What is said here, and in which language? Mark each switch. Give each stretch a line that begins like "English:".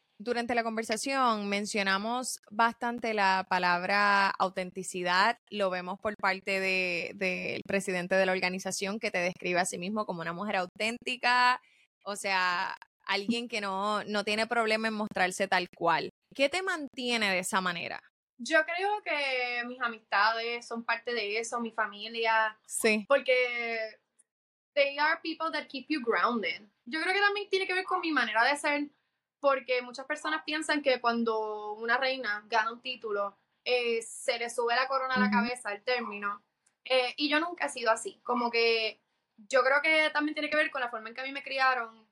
Spanish: Durante la conversación mencionamos bastante la palabra autenticidad, lo vemos por parte del presidente de la organización que te describe a sí mismo como una mujer auténtica, o sea, alguien que no tiene problema en mostrarse tal cual. ¿Qué te mantiene de esa manera? Yo creo que mis amistades son parte de eso, mi familia. Sí. Porque
English: they are people that keep you grounded.
Spanish: Yo creo que también tiene que ver con mi manera de ser, porque muchas personas piensan que cuando una reina gana un título, se le sube la corona a la cabeza, el término. Y yo nunca he sido así. Como que yo creo que también tiene que ver con la forma en que a mí me criaron.